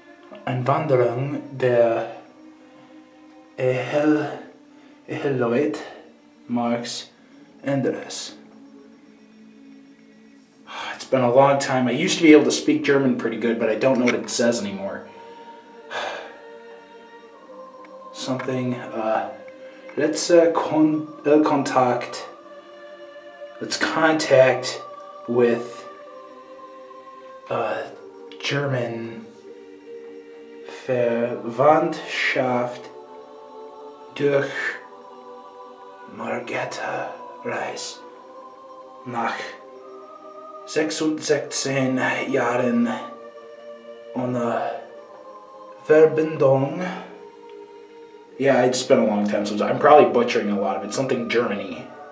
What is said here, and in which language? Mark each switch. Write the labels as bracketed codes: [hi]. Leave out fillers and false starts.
[de] Aus einer Wanderung der Eheleute Marx Endres. [en] It's been a long time. I used to be able to speak German pretty good, but I don't know what it says anymore. Something, let's contact with German [de] Verwandtschaft durch Margette Reis nach 66 Jahren ohne Verbindung. [en] Yeah, it's been a long time, so I'm probably butchering a lot of it. Something Germany.